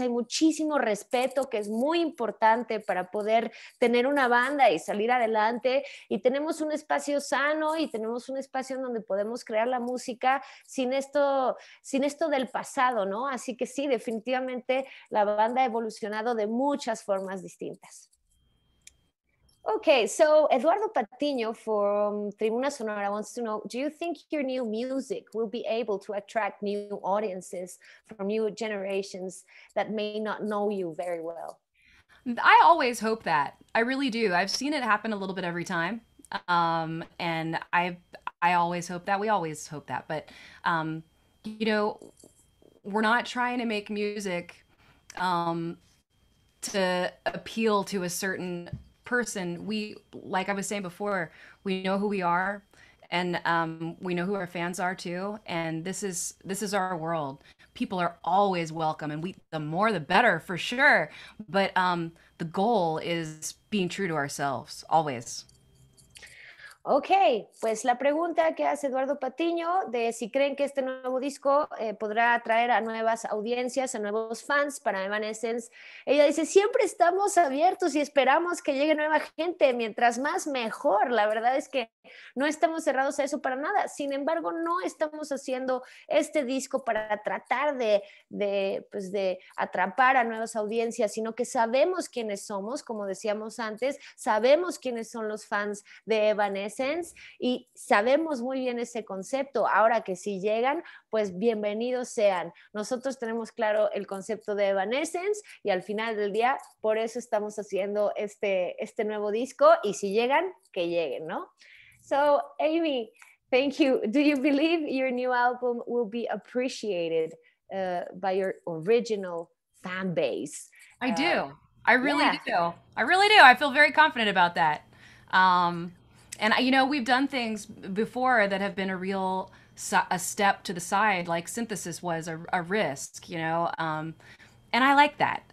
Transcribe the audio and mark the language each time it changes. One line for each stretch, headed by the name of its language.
Spanish: Hay muchísimo respeto, que es muy importante para poder tener una banda y salir adelante. Y tenemos un espacio sano y tenemos un espacio en donde podemos crear la música sin esto del pasado, ¿no? Así que sí, definitivamente la banda ha evolucionado de muchas formas distintas.
English: Okay, so Eduardo Patiño from Tribuna Sonora wants to know, do you think your new music will be able to attract new audiences from new generations that may not know you very well? I always hope that. I really do. I've seen it happen a little bit every time. And I always hope that. We always hope that. But, you know, we're not trying to make music to appeal to a certain person. We, like I was saying before, we know who we are, and we know who our fans are too, and this is our world. People are always welcome, and the more the better, for sure. But the goal is being true to ourselves, always.
Spanish: Okay, pues la pregunta que hace Eduardo Patiño de si creen que este nuevo disco podrá atraer a nuevas audiencias, a nuevos fans para Evanescence. Ella dice, siempre estamos abiertos y esperamos que llegue nueva gente, mientras más mejor. La verdad es que no estamos cerrados a eso para nada. Sin embargo, no estamos haciendo este disco para tratar de atrapar a nuevas audiencias, sino que sabemos quiénes somos, como decíamos antes, sabemos quiénes son los fans de Evanescence. Essence, y sabemos muy bien ese concepto. Ahora que si llegan, pues bienvenidos sean. Nosotros tenemos claro el concepto de Evanescence y al final del día, por eso estamos haciendo este nuevo disco. Y si llegan, que lleguen, ¿no?
English: So, Amy, thank you. Do you believe your new album will be appreciated by your original fan base? I do. I really do. I really do. I feel very confident about that. And, you know, we've done things before that have been a step to the side, like synthesis was a risk, you know, and I like that.